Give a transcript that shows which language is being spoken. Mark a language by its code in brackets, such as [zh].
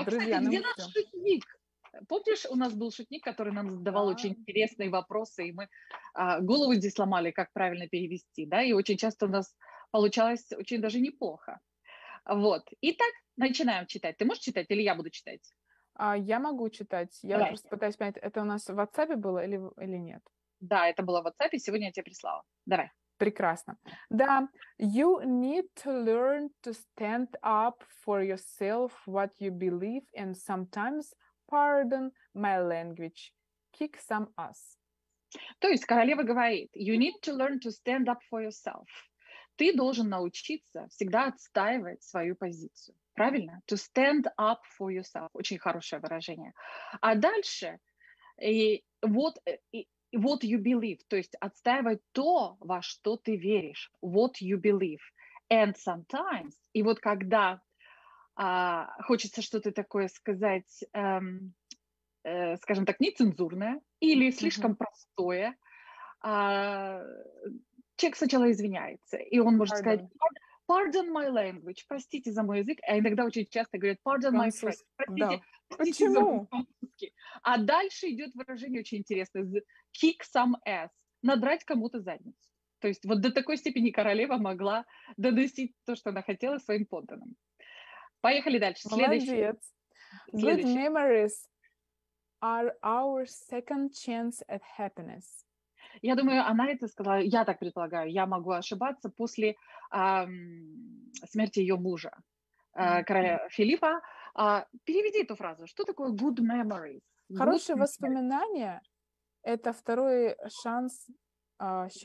[ru] А, друзья, кстати, где наш шутник? Помнишь, у нас был шутник, который нам задавал очень интересные вопросы, и мы голову здесь сломали, как правильно перевести, да? И очень часто у нас получалось очень даже неплохо. Вот. Итак, начинаем читать. Ты можешь читать или я буду читать? Я могу читать. Я просто пытаюсь понять, это у нас в WhatsApp было или нет? Да, это было в WhatsApp, и сегодня я тебе прислала. Давай. Прекрасно. Да. [en] You need to learn to stand up for yourself, what you believe, and sometimes, pardon my language, kick some ass. [ru] То есть королева говорит: [en] you need to learn to stand up for yourself. [ru] Ты должен научиться всегда отстаивать свою позицию. Правильно? [en] To stand up for yourself. [ru] Очень хорошее выражение. А дальше, [en] what you believe, [ru] то есть отстаивать то, во что ты веришь. [en] What you believe. And sometimes, [ru] и вот когда хочется что-то такое сказать, скажем так, нецензурное или слишком простое, человек сначала извиняется, и он может сказать: [en] pardon my language, [ru] простите за мой язык, а иногда очень часто говорят [en] pardon my friend, [ru] простите, да. Почему? За мой французский. А дальше идет выражение очень интересное, [en] kick some ass, [ru] надрать кому-то задницу. То есть вот до такой степени королева могла доносить то, что она хотела своим подданным. Поехали дальше. Следующий. Молодец. [en] Good memories are our second chance at happiness. [ru] Я думаю, она это сказала, я так предполагаю, я могу ошибаться, после смерти ее мужа, короля Филиппа. Переведи эту фразу. Что такое [en] good memories? [ru] Хорошие воспоминания – это второй шанс счастья.